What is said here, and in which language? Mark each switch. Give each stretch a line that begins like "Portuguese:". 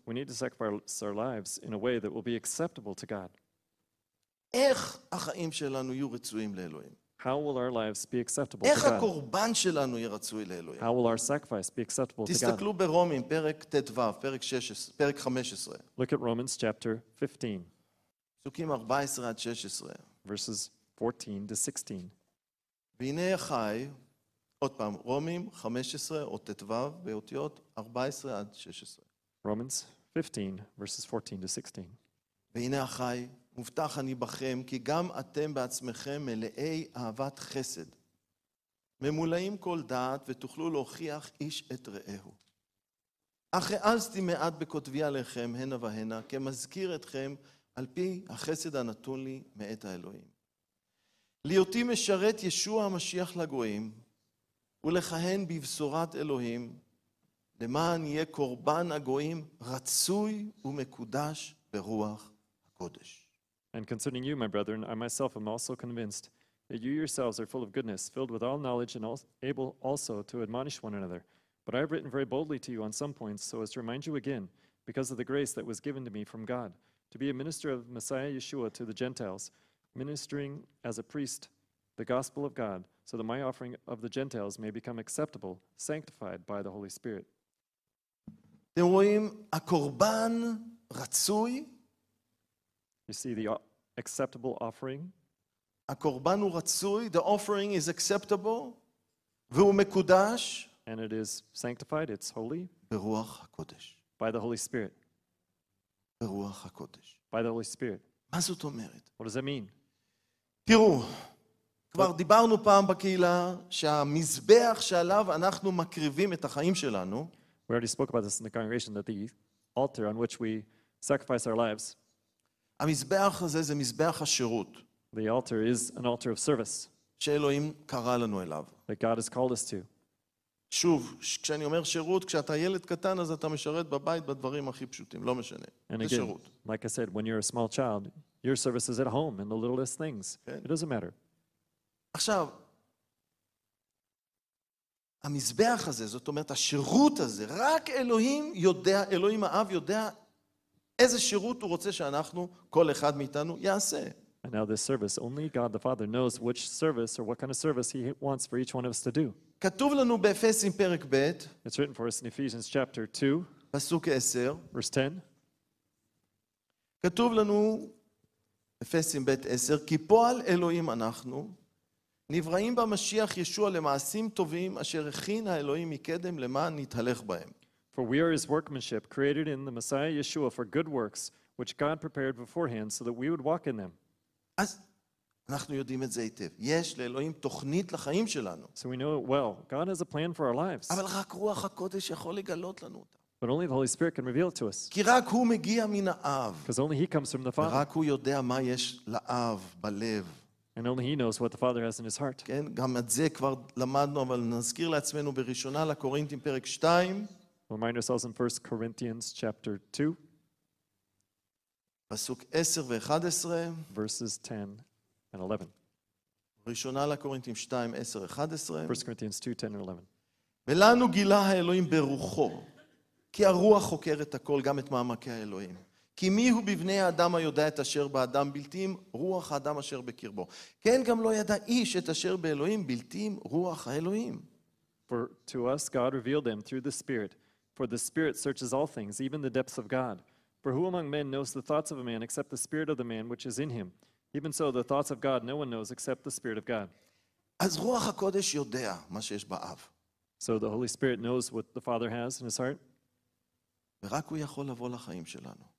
English: We need to sacrifice our lives in a way that will be acceptable to God.
Hebrew: איך החיים שלנו יהיו רצויים לאלוהים?
English: How will our lives be acceptable to God?
Hebrew: איך הקורבן שלנו ירצוי לאלוהים?
English: How will our sacrifice be acceptable to God?
Hebrew: תסתכלו ברומים פרק ט"ו, פרק 15.
English: Look at Romans chapter 15.
Hebrew: פסוקים 14 עד 16.
English: Verses 14 to 16.
Hebrew: והנה חי, עוד פעם, רומים 15 או ט"ו באותיות 14 עד 16.
English: Romans 15 verses 14 to 16.
Hebrew: והנה חי מובטח אני בכם, כי גם אתם בעצמכם מלאי אהבת חסד. ממולאים כל דעת ותוכלו להוכיח איש את רעהו. אך העזתי מעט בכותבי עליכם, הנה והנה, כמזכיר אתכם על פי החסד הנתון לי מאת האלוהים. להיותי משרת ישוע המשיח לגויים, ולכהן בבשורת אלוהים, למען יהיה קורבן הגויים רצוי ומקודש ברוח הקודש.
English: And concerning you, my brethren, I myself am also convinced that you yourselves are full of goodness, filled with all knowledge, and able also to admonish one another. But I have written very boldly to you on some points, so as to remind you again, because of the grace that was given to me from God, to be a minister of Messiah Yeshua to the Gentiles, ministering as a priest the gospel of God, so that my offering of the Gentiles may become acceptable, sanctified by the Holy Spirit.
Hebrew: אתם רואים, הקורבן רצוי,
English: You see the acceptable offering?
Hebrew: הקורבן הוא רצוי,
English: the offering is acceptable,
Hebrew: והוא מקודש.
English: And it is sanctified, it's holy.
Hebrew: ברוח הקודש.
English: By the Holy Spirit.
Hebrew: ברוח הקודש.
English: By the Holy Spirit.
Hebrew: מה זאת אומרת?
English: What does that mean?
Hebrew: תראו, כבר דיברנו פעם בקהילה שהמזבח שעליו אנחנו מקריבים את החיים שלנו.
English: We already spoke about this in the congregation, that the altar on which we sacrifice our lives
Hebrew: המזבח הזה זה מזבח השירות.
English: The altar is an altar of service.
Hebrew: שאלוהים קרא לנו אליו.
English: That God has called us to.
Hebrew: שוב, כשאני אומר שירות, כשאתה ילד קטן, אז אתה משרת בבית בדברים הכי פשוטים, לא משנה.
English: And again,
Hebrew: שירות.
English: Like I said, when you're a small child, your service is at home in the littlest things.
Hebrew: כן.
English: It doesn't matter.
Hebrew: עכשיו, המזבח הזה, זאת אומרת, השירות הזה, רק אלוהים יודע, אלוהים האב יודע איזה שירות הוא רוצה שאנחנו, כל אחד מאיתנו, יעשה.
English: And now this service, only God the Father knows which service or what kind of service he wants for each one of us to do.
Hebrew: כתוב לנו באפסים פרק ב',
English: It's written for us in Ephesians chapter 2,
Hebrew: פסוק 10,
English: verse 10.
Hebrew: כתוב לנו אפסים ב' 10, כי פועל אלוהים אנחנו, נבראים במשיח ישוע למעשים טובים אשר הכין האלוהים מקדם למען נתהלך בהם.
English: For we are his workmanship, created in the Messiah Yeshua for good works, which God prepared beforehand so that we would walk in them.
Hebrew: אז אנחנו יודעים את זה היטב. יש לאלוהים תוכנית לחיים שלנו.
English: So we know it well. God has a plan for our lives.
Hebrew: אבל רק רוח הקודש יכול לגלות לנו אותה.
English: But only the Holy Spirit can reveal it to us.
Hebrew: כי רק הוא מגיע מן האב.
English: Because only he comes from the Father.
Hebrew: רק הוא יודע מה יש לאב בלב.
English: And only he knows what the Father has in his heart.
Hebrew: כן, גם את זה כבר למדנו, אבל נזכיר לעצמנו בראשונה לקורינטים פרק 2.
English: Remind ourselves in 1 Corinthians chapter 2.
Hebrew: פסוק 10 ו-11.
English: Verses 10 and 11.
Hebrew: ראשונה לקורינטים 2, 10, 11.
English: 1 Corinthians 2, 10 and 11.
Hebrew: ולנו גילה האלוהים ברוחו, כי הרוח חוקר את הכל, גם את מעמקי האלוהים. כי מי הוא בבני האדם היודע את אשר באדם בלתי עם רוח האדם אשר בקרבו. כן גם לא ידע איש את אשר באלוהים בלתי עם רוח האלוהים.
English: For to us God revealed them through the Spirit. For the Spirit searches all things, even the depths of God. For who among men knows the thoughts of a man except the spirit of the man which is in him? Even so the thoughts of God no one knows except the spirit of God.
Hebrew: אז רוח הקודש יודע מה שיש באב.
English: So the Holy Spirit knows what the Father has in his heart.
Hebrew: ורק הוא יכול לבוא לחיים שלנו.